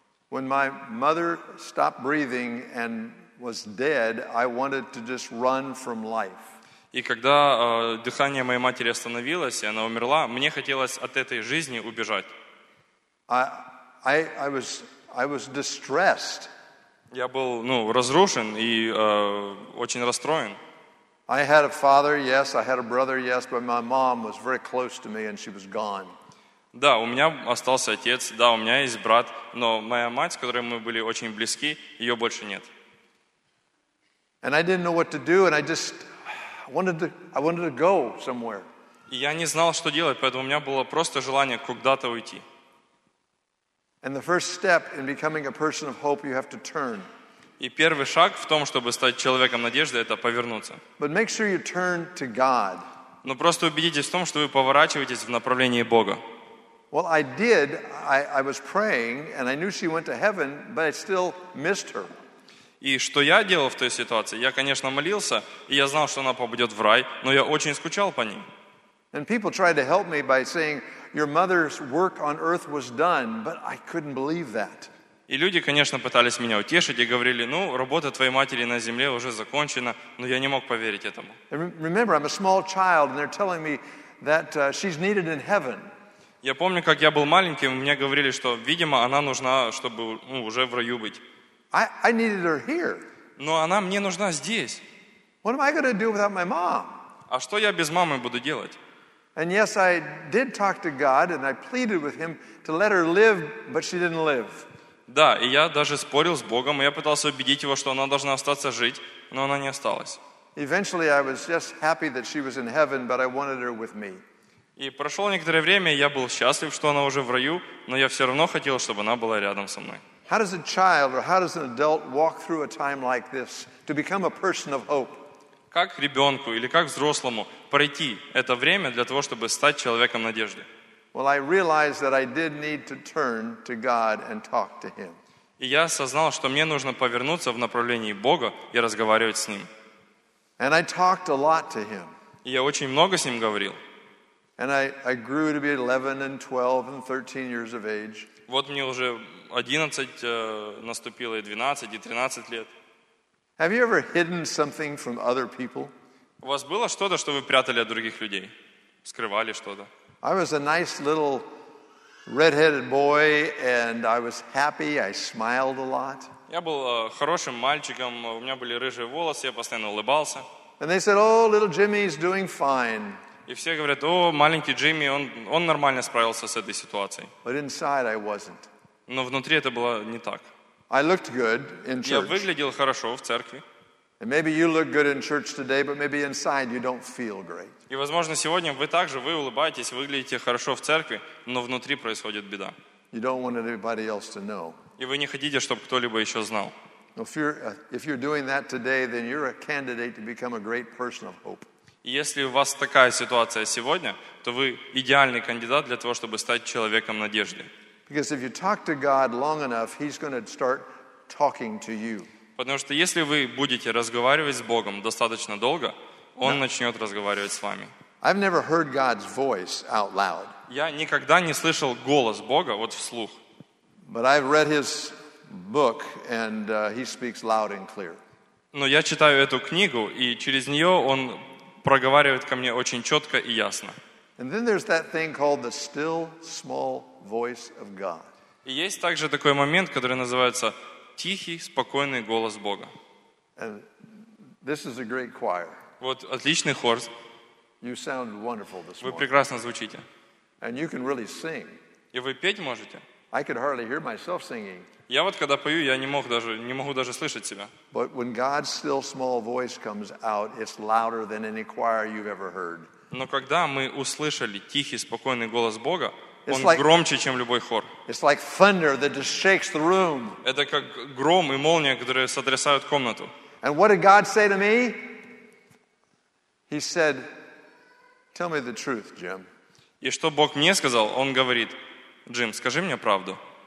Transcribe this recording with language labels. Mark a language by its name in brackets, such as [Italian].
[English] When my mother stopped breathing and was dead, I wanted to just run from life. [Russian] И когда дыхание моей матери остановилось, и она умерла, мне хотелось от этой жизни убежать. [English] I was distressed. [Russian] Я был, ну, разрушен и очень расстроен. [English] I had a father, yes, I had a brother, yes, but my mom was very close to me and she was gone. [Russian] Да, у меня остался отец, да, у меня есть брат, но моя мать, с которой мы были очень близки, ее больше нет. [English] And I didn't know what to do, and I wanted to go somewhere. [Russian] Я не знал, что делать, поэтому у меня было просто желание куда-то уйти. [English] And the first step in becoming a person of hope, you have to turn. [Russian] И первый шаг в том, чтобы стать человеком надежды, это повернуться. [English] But make sure you turn to God. [Russian] Но просто убедитесь в том, что вы поворачиваетесь в направлении Бога. [English] Well, I did. I was praying, and I knew she went to heaven, but I still missed her. [Russian] И что я делал в той ситуации? Я, конечно, молился, и я знал, что она попадет в рай, но я очень скучал по ней. [English] And people tried to help me by saying, "Your mother's work on earth was done," but I couldn't believe that. [Russian] И люди, конечно, пытались меня утешить и говорили: "Ну, работа твоей матери на земле уже закончена," но я не мог поверить этому. [English] And remember, I'm a small child, and they're telling me that she's needed in heaven. [Russian] Я помню, как я был маленьким, мне говорили, что, видимо, она нужна, чтобы уже в раю быть. [English] I needed her here. [Russian] Но она мне нужна здесь. [English] What am I going to do without my mom? [Russian] А что я без мамы буду делать? [English] And yes, I did talk to God and I pleaded with him to let her live, but she didn't live. [Russian] Да, и я даже спорил с Богом, и я пытался убедить его, что она должна остаться жить, но она не осталась. [English] Eventually I was just happy that she was in heaven, but I wanted her with me. [Russian] И прошло некоторое время, я был счастлив, что она уже в раю, но я все равно хотел, чтобы она была рядом со мной. [English] How does a child or how does an adult walk through a time like this to become a person of hope? [Russian] Как ребенку или как взрослому пройти это время для того, чтобы стать человеком надежды? [English] Well, I realized that I did need to turn to God and talk to Him. [Russian] И я осознал, что мне нужно повернуться в направлении Бога и разговаривать с Ним. [English] And I talked a lot to Him. [Russian] И я очень много с Ним говорил. [English] And I grew to be 11 and 12 and 13 years of age. [Russian] Вот мне уже 11 наступило, и 12, и 13 лет. [English] Have you ever hidden something from other people? [Russian] У вас было что-то, что вы прятали от других людей? Скрывали что-то? [English] I was a nice little red-headed boy, and I was happy, I smiled a lot. [Russian] Я был хорошим мальчиком, у меня были рыжие волосы, я постоянно улыбался. [English] And they said, "Oh, little Jimmy is doing fine." [Russian] И все говорят: "О, маленький Джимми, он нормально справился с этой ситуацией." [English] But inside I wasn't. [Russian] Но внутри это было не так. [English] I looked good in church. [Russian] Я выглядел хорошо в церкви. [English] And maybe you look good in church today, but maybe inside you don't feel great. [Russian] И возможно сегодня вы также вы улыбаетесь, выглядите хорошо в церкви, но внутри происходит беда. [English] You don't want anybody else to know. [Russian] И вы не хотите, чтобы кто-либо еще знал. [English] If you're doing that today, then you're a candidate to become a great person of hope. [Russian] Если у вас такая ситуация сегодня, то вы идеальный кандидат для того, чтобы стать человеком надежды. [English] Because if you talk to God long enough, He's going to start talking to you. [Russian] Потому что если вы будете разговаривать с Богом достаточно долго, Он начнет разговаривать с вами. [English] I've never heard God's voice out loud. [Russian] Я никогда не слышал голос Бога вот вслух. [English] But I've read His book, and He speaks loud and clear. [Russian] Но я читаю эту книгу, и через нее Он проговаривает ко мне очень четко и ясно. [English] And then there's that thing called the still small voice of God. [Russian] И есть также такой момент, который называется тихий, спокойный голос Бога. [English] And this is a great choir. [Russian] Вот отличный хор. [English] You sound wonderful this morning. [Russian] Вы прекрасно звучите. [English] And you can really sing. [Russian] И вы петь можете. [English] I could hardly hear myself singing. [Russian] Я вот когда пою, я не могу даже слышать себя. [English] But when God's still small voice comes out, it's louder than any choir you've ever heard. [Russian] Но когда мы услышали тихий, спокойный голос Бога, он громче, чем любой хор. [English] It's like thunder that just shakes the room. [Russian] Это как гром и молния, которые сотрясают комнату. [English] And what did God say to me? He said, "Tell me the truth, Jim." [Russian] И что Бог мне сказал? Он говорит: "Джим, скажи мне правду."